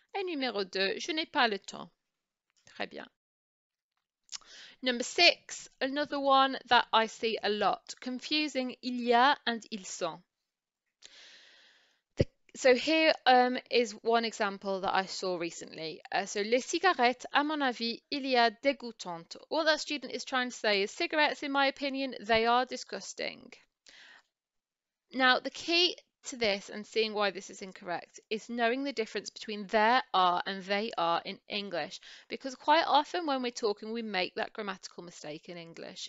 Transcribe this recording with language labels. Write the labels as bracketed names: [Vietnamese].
[French] Et numéro 2, je n'ai pas le temps. Très bien. [English] Number 6, another one that I see a lot. Confusing [French] il y a [English] and [French] ils sont. [English] So here is one example that I saw recently. [French] So les cigarettes, à mon avis, il y a dégoûtantes. [English] What that student is trying to say is cigarettes, in my opinion, they are disgusting. Now, the key to this and seeing why this is incorrect is knowing the difference between there are and they are in English. Because quite often when we're talking, we make that grammatical mistake in English.